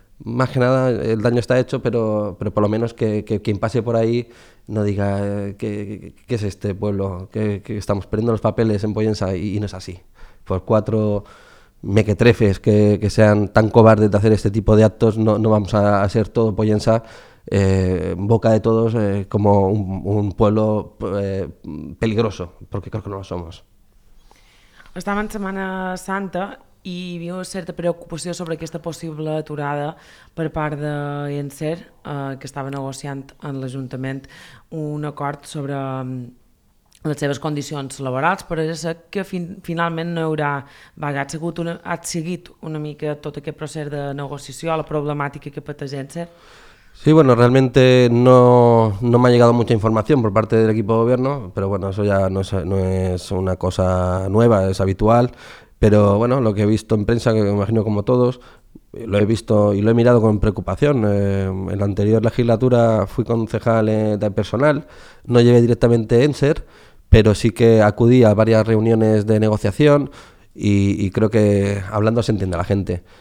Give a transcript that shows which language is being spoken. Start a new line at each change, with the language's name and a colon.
Spanish: Más que nada, el daño está hecho, pero por lo menos que quien pase por ahí no diga qué es este pueblo, que estamos perdiendo los papeles en Pollensa, y no es así. Por cuatro mequetrefes que sean tan cobardes de hacer este tipo de actos, no vamos a hacer todo Pollensa en boca de todos como un pueblo peligroso, porque creo que no lo somos.
Catalan: Estava en Setmana Santa i hi havia una certa preocupació sobre aquesta possible aturada per part de Enser, que estava negociant en l'Ajuntament un acord sobre les seves condicions laborals, però és que finalment no hi haurà vaga. Ha seguit una mica tot aquest procés de negociació, la problemàtica que pateix Enser?
Spanish: Sí, bueno, realmente no me ha llegado mucha información por parte del equipo de gobierno, pero bueno, eso ya no es una cosa nueva, es habitual. Pero bueno, lo que he visto en prensa, que me imagino como todos, lo he visto y lo he mirado con preocupación. En la anterior legislatura fui concejal de personal, no llegué directamente a Enser, pero sí que acudí a varias reuniones de negociación y creo que hablando se entiende a la gente.